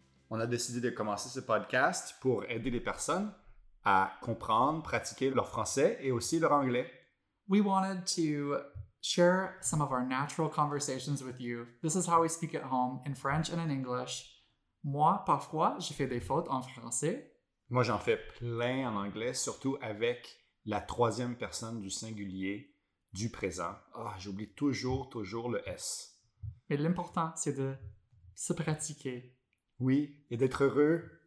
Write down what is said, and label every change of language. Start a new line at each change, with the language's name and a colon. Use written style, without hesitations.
French: On a décidé de commencer ce podcast pour aider les personnes à comprendre, pratiquer leur français et aussi leur anglais.
English: We wanted to share some of our natural conversations with you. This is how we speak at home, in French and in English.
French: Moi, parfois, je fais des fautes en français. Moi, j'en fais plein en anglais, surtout avec la troisième personne du singulier du présent. Ah, j'oublie toujours, toujours le S. Mais l'important, c'est de se pratiquer. Oui, et d'être heureux.